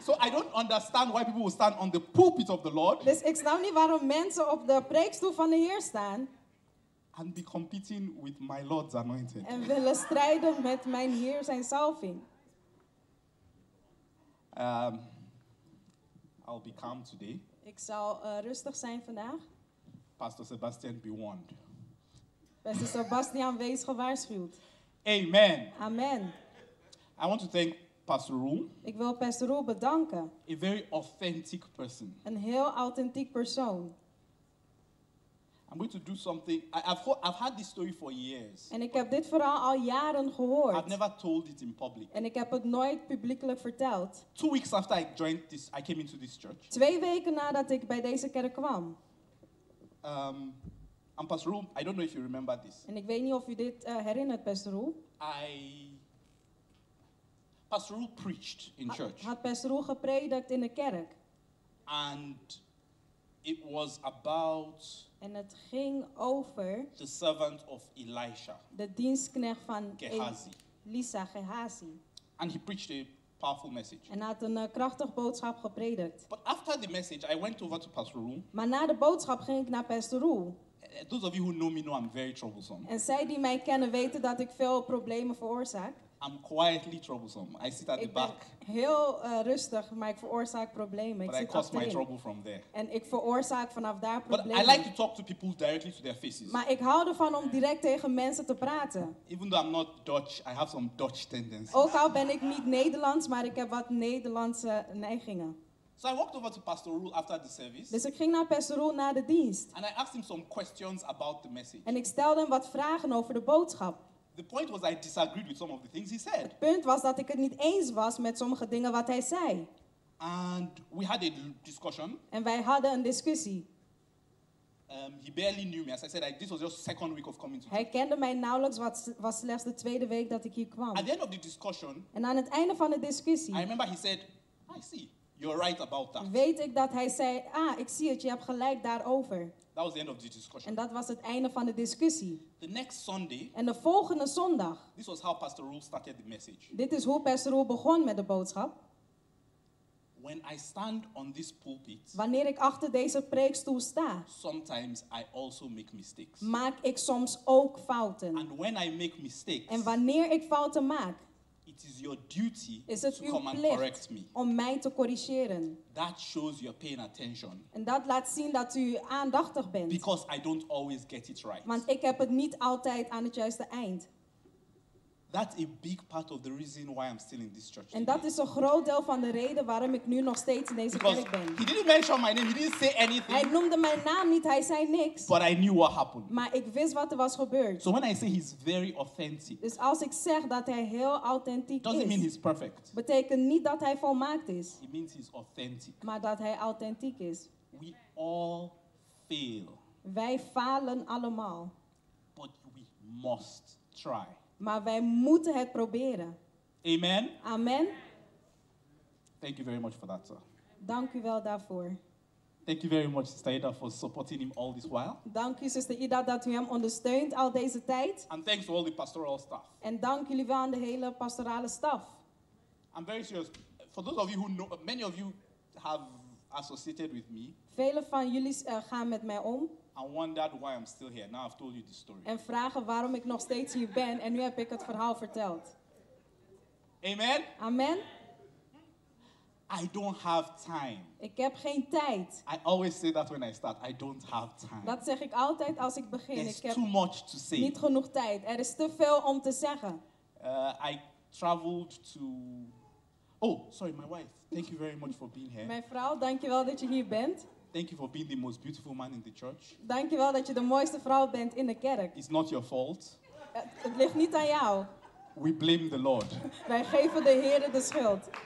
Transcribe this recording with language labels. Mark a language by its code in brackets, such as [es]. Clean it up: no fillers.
[en] So I don't understand why people will stand on the pulpit of the Lord. [nl] Dus ik snap niet waarom mensen op de preekstoel van de Heer staan. [en] And be competing with my Lord's anointing. [nl] En willen strijden met mijn Heer zijn zalving. [en] I'll be calm today. [nl] Ik zal rustig zijn vandaag. [en] Pastor Sebastian, be warned. [nl] Beste Sebastian, wees gewaarschuwd. [en] Amen. [nl] Amen. [en] I want to thank Pastor Roel. [nl] Ik wil Pastor Roel bedanken. [en] A very authentic person. [nl] Een heel authentiek persoon. [en] I'm going to do something. I've had this story for years. [nl] En ik heb dit verhaal al jaren gehoord. [en] I've never told it in public. [nl] En ik heb het nooit publiekelijk verteld. [en] 2 weeks after I joined this, I came into this church. [nl] 2 weken nadat ik bij deze kerk kwam. [en] And Pastor Roel, I don't know if you remember this. [nl] En ik weet niet of u dit herinnert, Pastor Roel. [en] Pastor Roel preached in church. [nl] Had Pastor Roel gepredikt in de kerk. [en] And it was about. [nl] En het ging over [en] the servant of Elisha, [nl] de dienstknecht van [en] Gehazi. [nl] Elisa, Gehazi. [en] And he preached a powerful message. [nl] En had een krachtig boodschap gepredikt. [en] But after the message, I went over to Pastor Roel. [nl] Maar na de boodschap ging ik naar Pastor Roel. [en] Those of you who know me know I'm very troublesome. [nl] En zij die mij kennen weten dat ik veel problemen veroorzaak. [en] I'm quietly troublesome. I sit at [nl] ik [en] the back. [nl] Heel rustig, maar ik veroorzaak problemen. [en] But [nl] ik zit [en] I cause [nl] achterin. [en] My trouble from there. [nl] En ik veroorzaak vanaf daar problemen. [en] But I like to talk to people directly to their faces. [nl] Maar ik hou ervan om direct tegen mensen te praten. [en] Even though I'm not Dutch, I have some Dutch tendencies. [nl] Ook al ben ik niet Nederlands, maar ik heb wat Nederlandse neigingen. [en] So I walked over to Pastor Roel after the service. [nl] Dus ik ging naar Pastor Roel na de dienst. [en] And I asked him some questions about the message. [nl] En ik stelde hem wat vragen over de boodschap. [en] The point was I disagreed with some of the things he said. [nl] Het punt was dat ik het niet eens was met sommige dingen wat hij zei. [en] And we had a discussion. [nl] En wij hadden een discussie. [en] He barely knew me. As I said, this was just second week of coming to church. [nl] Hij kende mij nauwelijks, wat was slechts de tweede week dat ik hier kwam. [en] At the end of the discussion. [nl] En aan het einde van de discussie. [en] I remember he said, I see. You're right about that. [nl] Weet ik dat hij zei, ik zie het, je hebt gelijk daarover. [en] That was the end of the discussion. [nl] En dat was het einde van de discussie. [en] The next Sunday. [nl] En de volgende zondag. [en] This was how Pastor Roel started the message. [nl] Dit is hoe Pastor Roel begon met de boodschap. [en] When I stand on this pulpit. [nl] Wanneer ik achter deze preekstoel sta. [en] Sometimes I also make mistakes. [nl] Maak ik soms ook fouten. [en] And when I make mistakes. [nl] En wanneer ik fouten maak. [en] It is your duty [nl] is het [en] to [nl] uw [en] come [nl] plicht [en] and correct me. [nl] Om mij te corrigeren. [en] That shows you're paying attention. [nl] En dat laat zien dat u aandachtig bent. [en] Because I don't always get it right. [nl] Want ik heb het niet altijd aan het juiste eind. [en] That's a big part of the reason why I'm still in this church. [nl] En dat is een groot deel van de reden waarom ik nu nog steeds in deze [en] Because [nl] kerk ben. [en] He didn't mention my name. He didn't say anything. [nl] Hij noemde mijn naam niet. Hij zei niks. [en] But I knew what happened. [nl] Maar ik wist wat er was gebeurd. [en] So when I say he's very authentic. [nl] Dus als ik zeg dat hij heel authentiek [en] doesn't [nl] is. [en] Doesn't mean he's perfect. [nl] Betekent niet dat hij volmaakt is. [en] It means he's authentic. [nl] Maar dat hij authentiek is. [en] We all fail. [nl] Wij falen allemaal. [en] But we must try. [nl] Maar wij moeten het proberen. [en] Amen. [nl] Amen. [en] Thank you very much for that, sir. [nl] Dank u wel daarvoor. [en] Thank you very much, Sister Ida, for supporting him all this while. [nl] Dank u, Sister Ida, dat u hem ondersteunt al deze tijd. [en] And thanks to all the pastoral staff. [nl] En dank jullie wel aan de hele pastorale staff. [en] I'm very serious. For those of you who know, many of you have associated with me. [nl] Vele van jullie gaan met mij om. [en] And wondered why I'm still here. Now I've told you the story. [nl] En vragen waarom ik nog steeds hier ben. En nu heb ik het verhaal verteld. [en] Amen. [nl] Amen. [en] I don't have time. [nl] Ik heb geen tijd. [en] I always say that when I start. I don't have time. [nl] Dat zeg ik altijd als ik begin. [en] There's [nl] ik heb [en] too much to say. [nl] Niet genoeg tijd. Er is te veel om te zeggen. [en] I traveled to. Oh, sorry, my wife. Thank you very much for being here. [nl] Mijn vrouw, dankjewel dat je hier bent. [en] Thank you for being the most beautiful man in the church. [nl] Dankjewel dat je de mooiste vrouw bent in de kerk. [en] It's not your fault. [nl] Het ligt niet aan jou. [en] We blame the Lord. [nl] Wij geven de Heer de schuld.